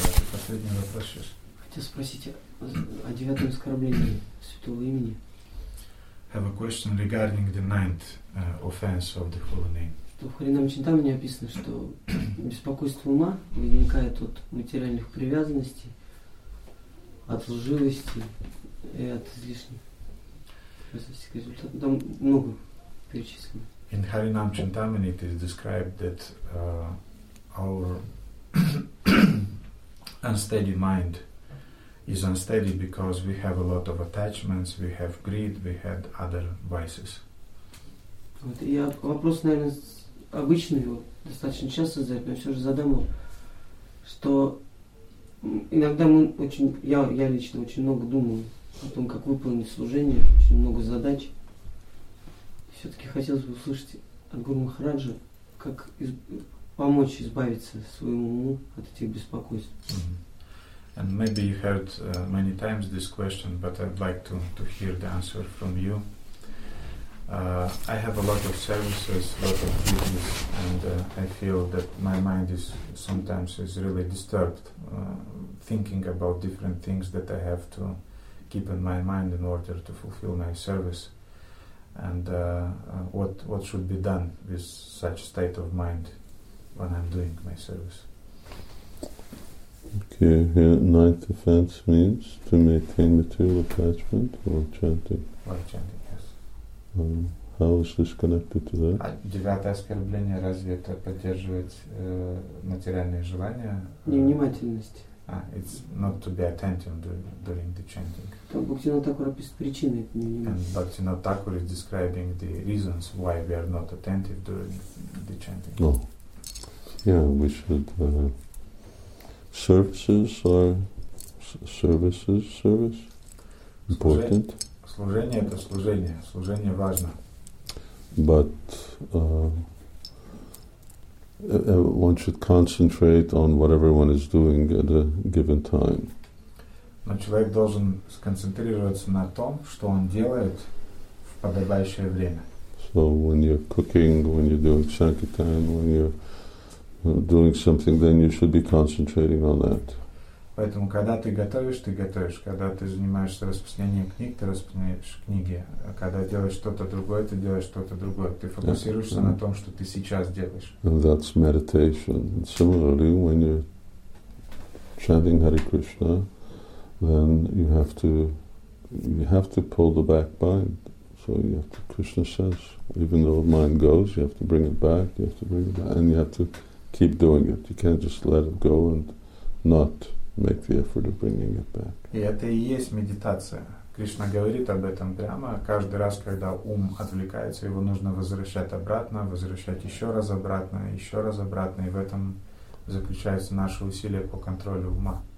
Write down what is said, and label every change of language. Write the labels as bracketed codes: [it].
[ru] Последний вопрос сейчас. Хотел спросить о девятом оскорблении святого имени. Have a question regarding the ninth offense of the holy name. Что в Харинам Чинтамане написано, что беспокойство ума возникает от материальных привязанностей, от лживости и от излишних присутствий к результату. Там много перечислено. [en] In Harinam Chintamani it is described that our unsteady mind is unsteady because we have a lot of attachments, we have greed, we have other vices. [ru] Вот, и я вопрос, наверное, обычный, вот, достаточно часто задаю, но все же задам его, что иногда мы очень, я лично очень много думаю о том, как выполнить служение, очень много задач. Все-таки хотелось бы услышать от Гуру Махараджа, как помочь избавиться своему уму от этих беспокойств. Mm-hmm. [en] And maybe you heard many times this question, but I'd like to hear the answer from you. I have a lot of services, a lot of duties, and I feel that my mind is sometimes is really disturbed, thinking about different things that I have to keep in my mind in order to fulfill my service. And what should be done with such state of mind when I'm doing my service? Okay, here, ninth offense means to maintain material attachment or chanting? Or chanting. How is this connected to that? [ru] Девятое оскорбление, разве это поддерживать материальные желания? Невнимательность. [en] It's not to be attentive during the chanting. [ru] Бхактинат Такур описывает причины этой невнимательности. [en] And Бхактинат Такур is describing the reasons why we are not attentive during the chanting. Oh. Yeah, we should... Services are service? Important? [ru] Служение – это служение. Служение важно. [en] But one should concentrate on what everyone is doing at a given time. [ru] Но человек должен сконцентрироваться на том, что он делает в подобающее время. [en] So when you're cooking, when you're doing sankirtan, when you're doing something, then you should be concentrating on that. [ru] Поэтому, когда ты готовишь, ты готовишь. Когда ты занимаешься распространением книг, ты распространяешь книги. А когда делаешь что-то другое, ты делаешь что-то другое. Ты фокусируешься на том, что ты сейчас делаешь. [en] And that's meditation. And similarly, when you're chanting Hare Krishna, then you have to pull the back mind. So you have to, Krishna says, even though the mind goes, you have to bring it back, you have to bring it back, and you have to keep doing it. You can't just let it go and not make the effort of bringing it back. [ru] И это и есть медитация. Кришна говорит об этом прямо. Каждый раз, когда ум отвлекается, его нужно возвращать обратно, возвращать еще раз обратно. И в этом заключаются наши усилия по контролю ума.